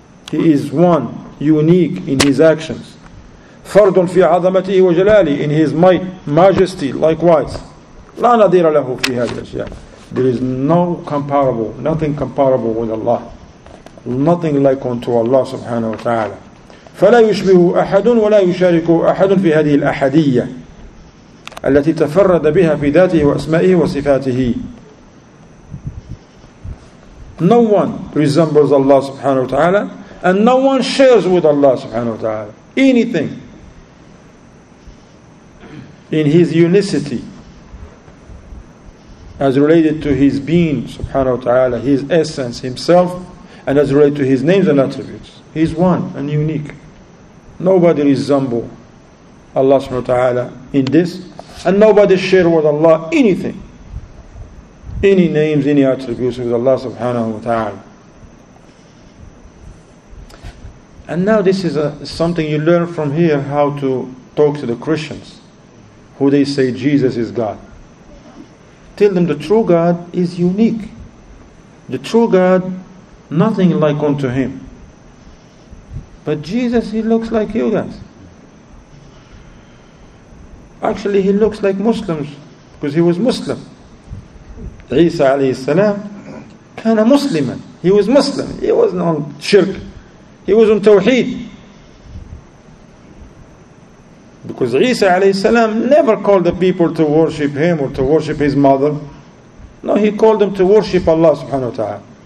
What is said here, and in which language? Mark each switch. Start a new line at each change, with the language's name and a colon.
English: He is one, unique in His actions.
Arabic: فَرْضٌ فِي عَظَمَتِهِ وَجَلَالِهِ,
English: in His might, majesty, likewise.
Arabic: لَا نَذِيرَ لَهُ فِي هَذِهِ الْأَشْيَاءِ.
English: There is no comparable, nothing comparable with Allah. Nothing like unto Allah, subhanahu wa ta'ala.
Arabic: فَلَا يُشْبِهُ أَحَدٌ وَلَا يُشَارِكُهُ أَحَدٌ فِي هَذِهِ الْأَحَدِيَّةِ التي تفرد بها في ذاته وأسمائه وصفاته.
English: No one resembles Allah subhanahu wa ta'ala and no one shares with Allah subhanahu wa ta'ala anything in His unicity as related to His being subhanahu wa ta'ala, His essence, Himself, and as related to His names and attributes. He's one and unique. Nobody resembles Allah subhanahu wa ta'ala in this. And nobody share with Allah anything, any names, any attributes with Allah subhanahu wa ta'ala. And now this is something you learn from here, how to talk to the Christians, who they say Jesus is God. Tell them the true God is unique. The true God, nothing like unto Him. But Jesus, He looks like you guys. Actually, He looks like Muslims, because He was Muslim.
Arabic: عيسى عليه السلام كان مسلما.
English: He was Muslim. He wasn't on shirk. He was on توحيد. Because عيسى عليه السلام never called the people to worship him or to worship his mother. No, he called them to worship Allah subhanahu wa ta'ala.